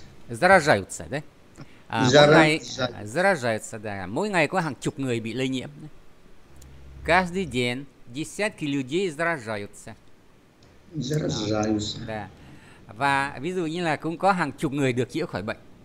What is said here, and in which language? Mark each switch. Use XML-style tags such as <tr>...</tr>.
<ru>Заражаются, đấy. À, заражается, да.</ru> <vi>Mỗi ngày có hàng chục người bị lây nhiễm.</vi> <ru>Каждый день десятки людей заражаются. Заражаются. Да.</ru> <vi>Và ví dụ như là cũng có hàng chục người được chữa khỏi bệnh.</vi>